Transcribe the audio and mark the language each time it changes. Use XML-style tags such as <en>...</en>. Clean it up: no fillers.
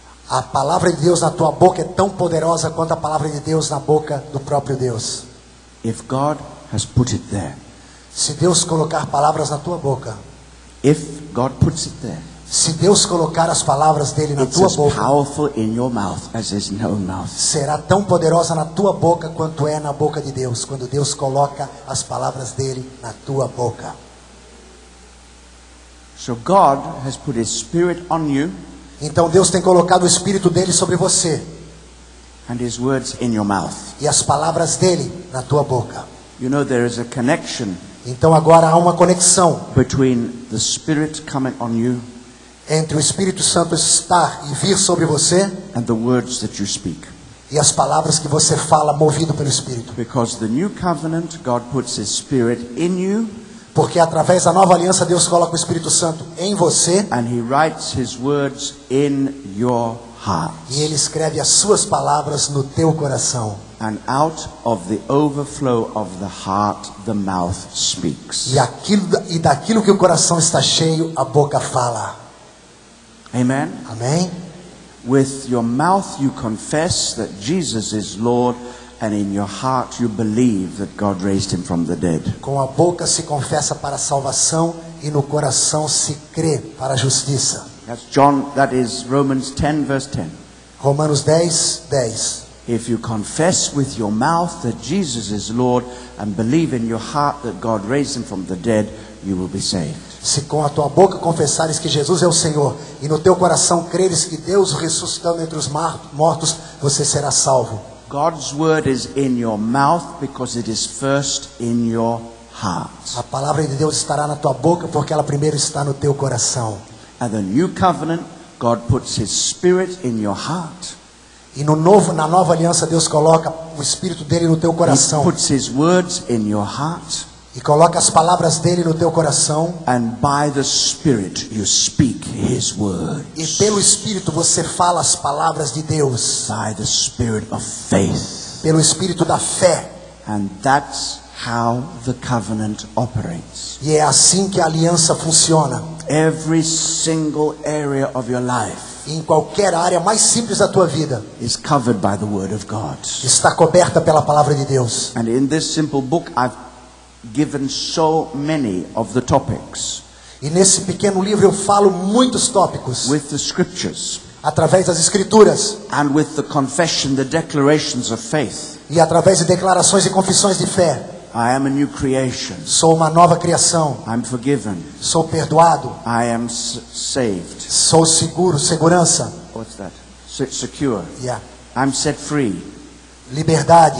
<pt>A palavra de Deus na tua boca é tão poderosa quanto a palavra de Deus na boca do próprio Deus.</pt> <en>If God has put it there.</en> <pt>Se Deus colocar palavras na tua boca.</pt> <en>If God puts it there.</en> <pt>Se Deus colocar as palavras dele na tua boca,</pt> <en>powerful in your mouth as is in your mouth.</en> <pt>Será tão poderosa na tua boca quanto é na boca de Deus, quando Deus coloca as palavras dele na tua boca.</pt> <en>So God has put his spirit on you.</en> <pt>Então Deus tem colocado o espírito dele sobre você.</pt> <en>And his words in your mouth.</en> <pt>E as palavras dele na tua boca.</pt> <en>You know there is a connection.</en> <pt>Então agora há uma conexão</pt> <en>between the spirit coming on you.</en> <pt>Entre o Espírito Santo estar e vir sobre você</pt> <en>and the words that you speak.</en> <pt>E as palavras que você fala movido pelo Espírito.</pt> <en>Because the new covenant, God puts his spirit in you.</en> <pt>Porque através da nova aliança Deus coloca o Espírito Santo em você</pt> <en>and he writes his words in your heart.</en> <pt>E ele escreve as suas palavras no teu coração.</pt> <en>And out of the overflow of the heart, the mouth speaks.</en> <pt>E daquilo que o coração está cheio, a boca fala.</pt> <en>Amen.</en> <pt>Amém.</pt> <en>With your mouth you confess that Jesus is Lord, and in your heart you believe that God raised him from the dead.</en> <pt>Com a boca se confessa para a salvação e no coração se crê para a justiça.</pt> <en>That's John. That is Romans 10, verse 10.</en> <pt>Romanos 10, 10.</pt> <en>If you confess with your mouth that Jesus is Lord and believe in your heart that God raised him from the dead, you will be saved.</en> <pt>Se com a tua boca confessares que Jesus é o Senhor e no teu coração creres que Deus ressuscitou dentre os mortos, você será salvo.</pt> <en>God's word is in your mouth because it is first in your heart.</en> <pt>A palavra de Deus estará na tua boca porque ela primeiro está no teu coração.</pt> <en>And the new covenant, God puts his spirit in your heart.</en> <pt>E no novo, na nova aliança, Deus coloca o Espírito dele no teu coração.</pt> <en>He puts his words in your heart.</en> <pt>E coloca as palavras dele no teu coração.</pt> <en>And by the Spirit you speak his words.</en> <pt>E pelo Espírito você fala as palavras de Deus.</pt> <en>By the Spirit of faith.</en> <pt>Pelo Espírito da fé.</pt> <en>And that's how the covenant operates.</en> <pt>E é assim que a aliança funciona.</pt> <en>Every single area of your life.</en> <pt>Em qualquer área mais simples da tua vida.</pt> <en>Is covered by the word of God.</en> <pt>Está coberta pela palavra de Deus.</pt> <en>And in this simple book I've given so many of the topics.</en> <pt>E nesse pequeno livro eu falo muitos tópicos.</pt> <en>With the scriptures.</en> <pt>Através das escrituras.</pt> <en>And with the confession, the declarations of faith.</en> <pt>E através de declarações e confissões de fé.</pt> <en>I am a new creation.</en> <pt>Sou uma nova criação.</pt> <en>I'm forgiven.</en> <pt>Sou perdoado.</pt> <en>I am saved.</en> <pt>Sou seguro, segurança.</pt> <en>What's that? Secure. Yeah. I'm set free.</en> <pt>Liberdade.</pt>